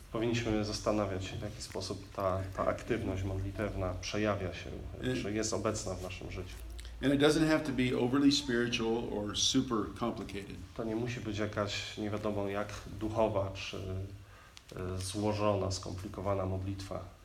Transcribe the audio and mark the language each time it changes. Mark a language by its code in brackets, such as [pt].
[pl] Powinniśmy zastanawiać się, w jaki sposób ta aktywność modlitewna przejawia się, czy jest obecna w naszym życiu. [en] And it doesn't have to be overly spiritual or super complicated. [pl] To nie musi być jakaś nie wiadomo jak duchowa czy złożona, skomplikowana modlitwa.